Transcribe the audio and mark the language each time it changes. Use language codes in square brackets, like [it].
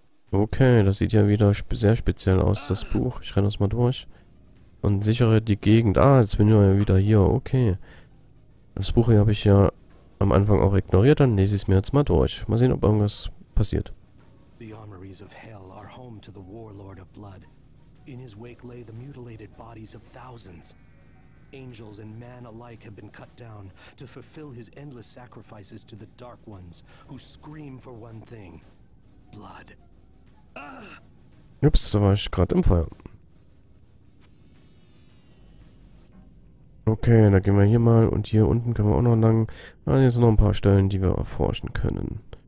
[de] Okay, das sieht ja wieder sehr speziell aus, das Buch. Ich renne das mal durch. Und sichere die Gegend. Ah, jetzt bin ich ja wieder hier. Okay. Das Buch hier habe ich ja am Anfang auch ignoriert. Dann lese ich es mir jetzt mal durch. Mal sehen, ob irgendwas passiert. [en] Die Armories of Hell sind Home to the Warlord of Blood. In his wake lay the mutilated bodies of thousands. Angels and man alike have been cut down to fulfill his endless sacrifices to the Dark Ones, who scream for one thing: Blood. [de] Ups, da war ich gerade im Feuer. Okay, da gehen wir hier mal und hier unten können wir auch noch lang. Ah, hier sind noch ein paar Stellen, die wir erforschen können.